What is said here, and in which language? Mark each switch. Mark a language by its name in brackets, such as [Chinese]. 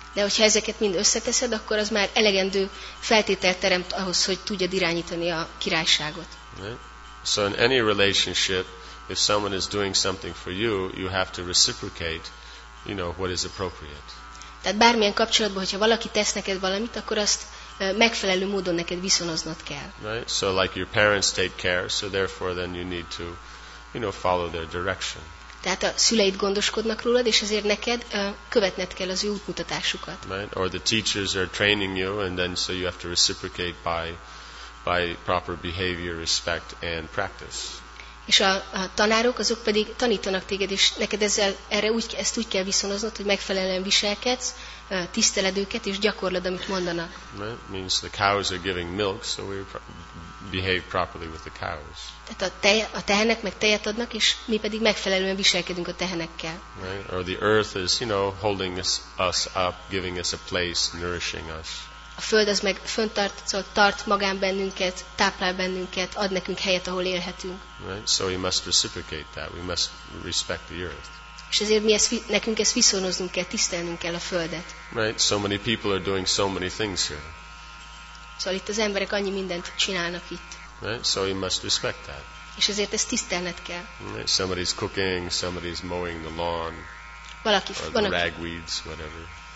[Hungarian] De hogyha ezeket mind összeteszed, akkor az már elegendő feltételt teremt ahhoz, hogy tudjad irányítani a királyságot. [English] Right? So in any relationship, if someone is doing something for you, you have to reciprocate, you know, what is appropriate. [Hungarian] Tehát bármilyen kapcsolatban, hogyha valaki tesz neked valamit, akkor azt megfelelő módon neked viszonoznod kell. [English] Right? So like your parents take care, so therefore then you need to, you know, follow their direction. [Hungarian] Tehát a szüleid gondoskodnak rólad, és ezért neked követned kell az ő útmutatásukat. [English] Right? Or the teachers are training you, and then so you have to reciprocate by proper behavior, respect, and practice. [Hungarian] És a tanárok, azok pedig tanítanak téged, és neked ezzel, erre úgy, ezt úgy kell viszonoznod, hogy megfelelően viselkedsz, tiszteled őket, és gyakorlod, amit mondanak. [English] Right? Means the cows are giving milk, so we behave properly with the cows. [Hungarian] Tehát a tehenek meg tejet adnak, és mi pedig megfelelően viselkedünk a tehenekkel. [English] Right? Or the earth is, you know, holding us up, giving us a place, nourishing us. [Hungarian] A Föld az meg fönntart, szóval tart magán bennünket, táplál bennünket, ad nekünk helyet, ahol élhetünk. [English] Right? So we must reciprocate that. We must respect the earth. [Hungarian] És ezért mi ezt, nekünk ezt viszonoznunk kell, tisztelnünk kell a Földet. [English] Right? So many people are doing so many things here. [Hungarian] Szóval itt az emberek annyi mindent csinálnak itt. [English] Right? So we must respect that. [Hungarian] És ezért ezt tisztelned kell. [English] Right? Somebody's cooking, somebody's mowing the lawn. [Hungarian] Valaki, [English] or the ragweeds, whatever.